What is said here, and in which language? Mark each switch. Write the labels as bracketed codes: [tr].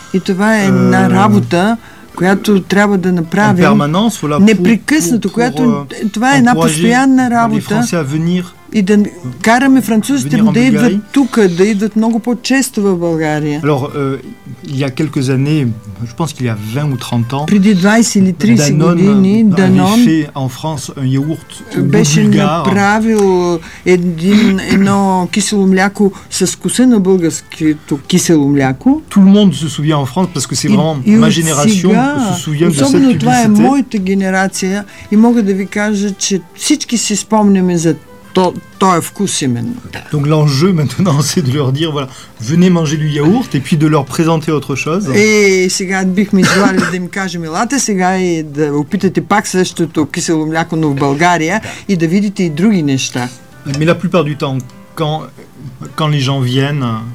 [bg] И това е една работа, която трябва да направим непрекъснато, която това е една постоянна работа. И да караме французите да идват тук, да идват много по-често в България. [fr] Alors, il y a quelques années, je pense qu'il y a 20 ou 30 ans, [bg] преди 20 или 30 години, [fr] Данон avait fait en France un yaourt [bg] беше направил едно кисело мляко с вкуса на българското кисело мляко. [fr] Tout le monde se souvient en France, parce que c'est vraiment ma génération se souvient de cette publicité. [bg] Това е моята генерация и мога да ви кажа, че всички си спомняме за той е вкус именно. [fr] Donc l'enjeu maintenant c'est de leur dire voilà, venez manger du yaourt et puis de leur présenter autre chose. [bg] Е, сега бихме желали да им кажем, елате сега и да опитате пак същото кисело мляко, но в България и да видите и други неща. [fr] Mais la plupart du temps, quand les gens viennent,